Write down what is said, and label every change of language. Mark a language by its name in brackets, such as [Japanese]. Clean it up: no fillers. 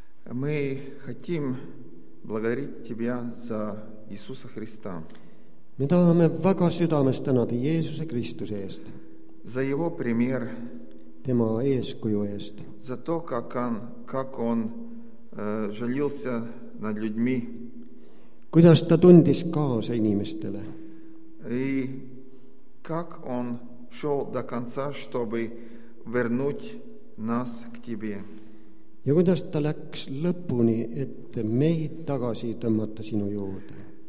[Russian] Мы хотим благодарить Тебя за Иисуса Христа. Мы хотим [Estonian] väga südamest tänada Jeesuse Kristuse eest. [Russian] За Его пример. [Estonian] Tema eeskuju eest. [Russian] За то, как он жалился над людьми. [Estonian] Kuidas ta tundis kaasa inimestele. [Russian] И как он шел до конца, чтобы вернуть нас к тебе. [Estonian] Ja kuidas ta läks lõpuni, et meid tagasi tõmmata sinu juurde.